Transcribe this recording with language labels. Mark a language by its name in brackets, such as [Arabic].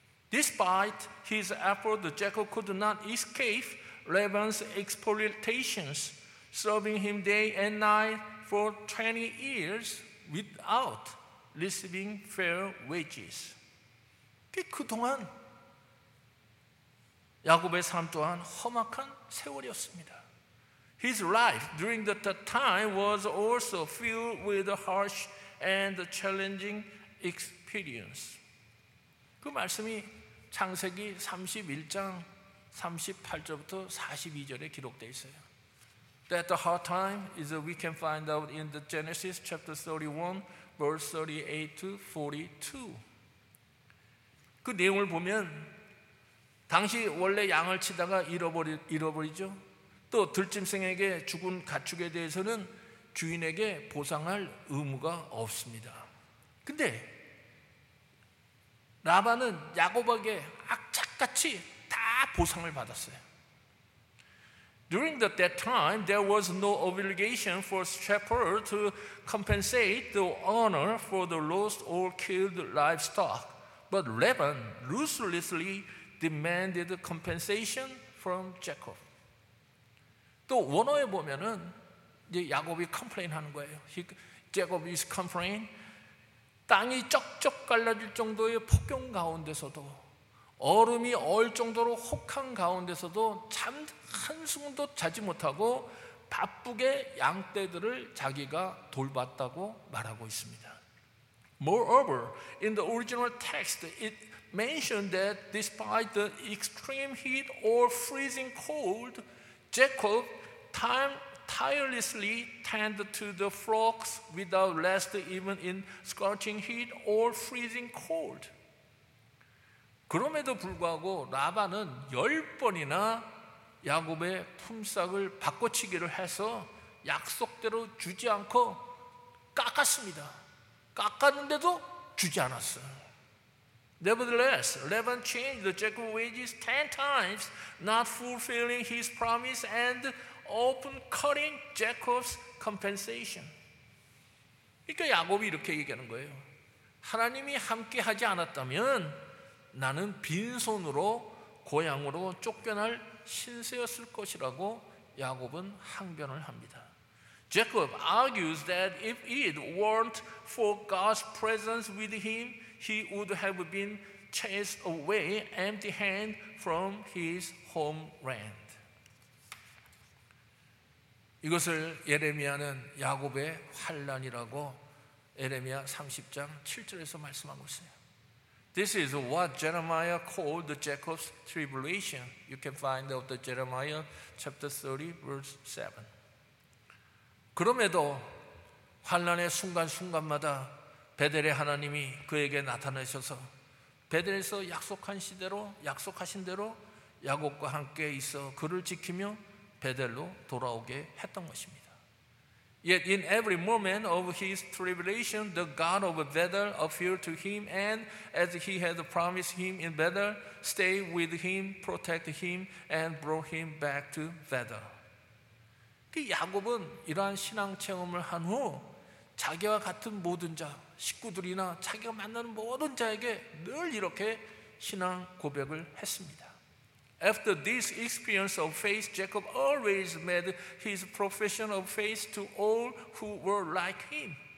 [English] Despite his effort, Jacob could not escape Laban's exploitations, serving him day and night for 20 years without receiving fair wages. [Korean] 그동안 야곱의 삶 또한 험악한 세월이었습니다. [English] His life during that time was also filled with harsh and challenging experience. [Korean] 그 말씀이 창세기 31장 38절부터 42절에 기록되어 있어요. [English] That the hard time is we can find out in the Genesis chapter 31 verse 38 to 42. [Korean] 그 내용을 보면 당시 원래 양을 치다가 잃어버리죠. 또 들짐승에게 죽은 가축에 대해서는 주인에게 보상할 의무가 없습니다. 근데 라반은 야곱에게 악착같이 다 보상을 받았어요. [English] During that time, there was no obligation for shepherds to compensate the owner for the lost or killed livestock. But Laban ruthlessly demanded compensation from Jacob. [Korean] 또 원어에 보면은 이제 야곱이 컴플레인 하는 거예요. [English] Jacob is complaining. [Korean] 땅이 쩍쩍 갈라질 정도의 폭경 가운데서도 얼음이 얼 정도로 혹한 가운데서도 잠 한숨도 자지 못하고 바쁘게 양떼들을 자기가 돌봤다고 말하고 있습니다. [English] Moreover, in the original text, it mentioned that despite the extreme heat or freezing cold, Jacob tirelessly tended to the flocks without rest, even in scorching heat or freezing cold. [Korean] 그럼에도 불구하고 라반은 열 번이나 야곱의 품삯을 바꿔치기를 해서 약속대로 주지 않고 깎았습니다. 깎았는데도 주지 않았어요. [English] Nevertheless, Laban changed Jacob's wages 10 times, not fulfilling his promise and open cutting Jacob's compensation. [Korean] 그러니까 야곱이 이렇게 얘기하는 거예요. 하나님이 함께 하지 않았다면 나는 빈손으로 고향으로 쫓겨날 신세였을 것이라고 야곱은 항변을 합니다. [English] Jacob argues that if it weren't for God's presence with him, he would have been chased away empty-handed from his homeland. [Korean] 이것을 예레미야는 야곱의 환난이라고 예레미야 30장 7절에서 말씀하고 있어요. [English] This is what Jeremiah called Jacob's tribulation. You can find out the Jeremiah chapter 30, verse 7. [Korean] 그럼에도 환난의 순간순간마다 베델의 하나님이 그에게 나타나셔서 베델에서 약속하신 대로 야곱과 함께 있어 그를 지키며 베델로 돌아오게 했던 것입니다. [English] Yet in every moment of his tribulation, the God of Bethel appeared to him, and as he had promised him in Bethel, stayed with him, protected him, and brought him back to Bethel. [Korean] 야곱은 이러한 신앙 체험을 한 후 자기와 같은 모든 자, 식구들이나 자기가 만나는 모든 자에게 늘 이렇게 신앙 고백을 했습니다. [English] After this experience of faith, Jacob always made his profession of faith to all who were like him.